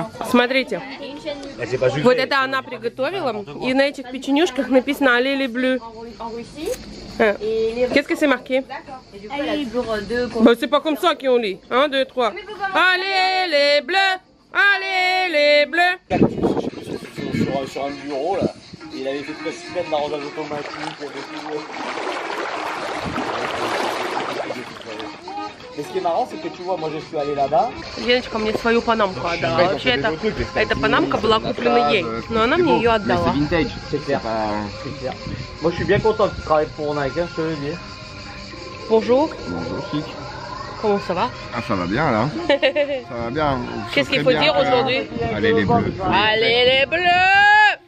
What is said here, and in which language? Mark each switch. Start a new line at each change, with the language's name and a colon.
Russian: Смотрите, вот это она приготовила, и на этих печенюшках написано «Али ли блю».
French: Qu'est-ce que c'est marqué? Bah c'est pas comme ça qu'on lit. 1, 2, 3. Allez les bleus! Allez les bleus! Sur un bureau là, il avait fait toute la semaine de l'arrosage automatique. Mais ce qui est marrant, c'est que tu vois, moi je suis allé là-bas.
Russian: Леночка мне свою панамку отдала. Вообще, эта панамка была куплена ей. Но она мне ее отдала.
French: C'est vintage, c'est clair. Moi je suis bien content que tu travailles pour Nike, hein, je te le dis. Bonjour. Bonjour Sik. Comment ça va? Ah ça va bien là. Ça va bien. Qu'est-ce qu'il faut dire aujourd'hui? Allez les bleus. Allez les bleus.